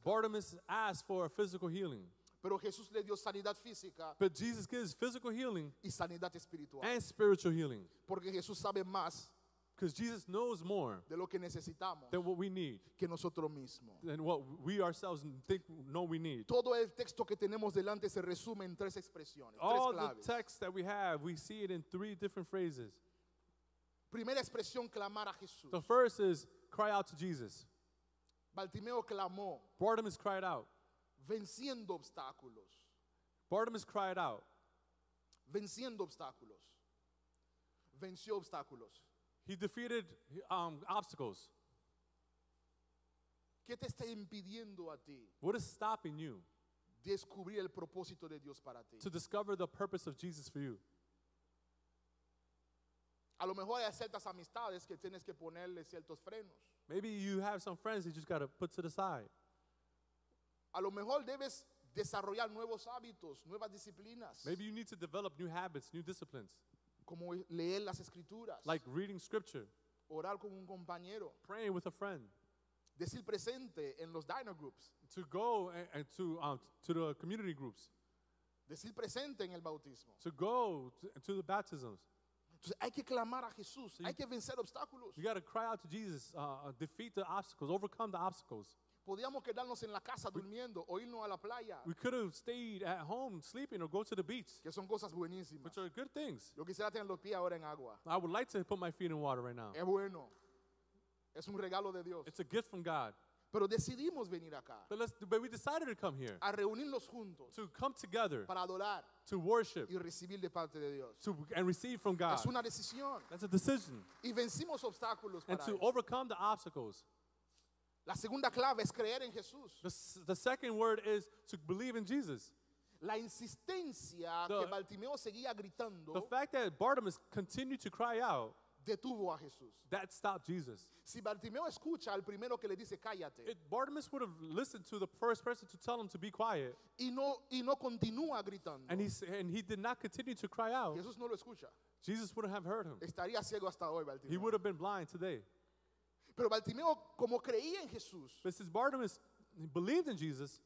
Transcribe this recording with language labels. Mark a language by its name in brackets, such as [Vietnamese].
[English] Bartimaeus asked for a physical healing. [Spanish] Pero Jesús le dio sanidad física. [English] But Jesus gives physical healing [Spanish] y sanidad espiritual [English] and spiritual healing. [Spanish] Porque Jesús sabe más [English] Because Jesus knows more [Spanish] de lo que necesitamos [English] than what we need, [Spanish] que nosotros mismos. [English] Than what we ourselves think, know we need. [Spanish] Todo el texto que tenemos delante se resume en tres expresiones, [English] all [Spanish] tres claves. [English] The text that we have, we see it in three different phrases. [Spanish] Primera expresión, clamar a Jesús. [English] The first is cry out to Jesus. [Spanish] Bartimeo clamó. [English] Bartimeus cried out. [Spanish] Venciendo obstáculos. [English] Bartimeus cried out. [Spanish] Venciendo obstáculos. Venció obstáculos. [English] He defeated obstacles. [Spanish] ¿Qué te está impidiendo a ti? [English] What is stopping you? [Spanish] Descubrir el propósito de Dios para ti. [English] To discover the purpose of Jesus for you. [Spanish] A lo mejor hay ciertas amistades que tienes que ponerle ciertos frenos. [English] Maybe you have some friends you just got to put to the side. [Spanish] A lo mejor debes desarrollar nuevos hábitos, nuevas disciplinas. [English] Maybe you need to develop new habits, new disciplines. [Spanish] Como leer las escrituras. [English] Like reading scripture. [Spanish] Orar con un compañero. [English] Praying with a friend. [Spanish] Decir presente en los diner groups. [English] To go and to the community groups. [Spanish] Decir presente en el bautismo. [English] To go to the baptisms. [Spanish] Entonces, hay que clamar a Jesús, hay que vencer obstáculos. [English] You got to cry out to Jesus, defeat the obstacles, overcome the obstacles. [Spanish] Podíamos quedarnos en la casa durmiendo o irnos a la playa. [English] We could have stayed at home sleeping or go to the beach. [Spanish] Que son cosas buenísimas. [English] Which are good things. [Spanish] Yo quisiera tener los pies ahora en agua. [English] I would like to put my feet in water right now. [Spanish] Es bueno. Es un regalo de Dios. [English] It's a gift from God. [Spanish] Pero decidimos venir acá. [English] But we decided to come here. [Spanish] A reunirnos juntos. [English] To come together. [Spanish] Para adorar. [English] To worship. [Spanish] Y recibir de parte de Dios. [English] And receive from God. [Spanish] Es una decisión. [English] That's a decision. [Spanish] Y vencimos obstáculos. [English] And [Spanish] para [English] to [Spanish] eso. [English] Overcome the obstacles. [Spanish] La segunda clave es creer en Jesús. [English] The second word is to believe in Jesus. [Spanish] La insistencia que Bartimeo seguía gritando. [English] The fact that Bartimeus continued to cry out. [Spanish] Detuvo a Jesús. [English] That stopped Jesus. [Spanish] Si Bartimeo escucha al primero que le dice cállate. [English] If Bartimeus would have listened to the first person to tell him to be quiet. [Spanish] Y no continúa gritando. [English] And he did not continue to cry out. [Spanish] Jesús no lo escucha. [English] Jesus wouldn't have heard him. [Spanish] Estaría ciego hasta hoy, Bartimeo. [English] He would have been blind today. [Spanish] Pero Bartimeo, como creía en Jesús. [English] But since Bartimeus believed in Jesus.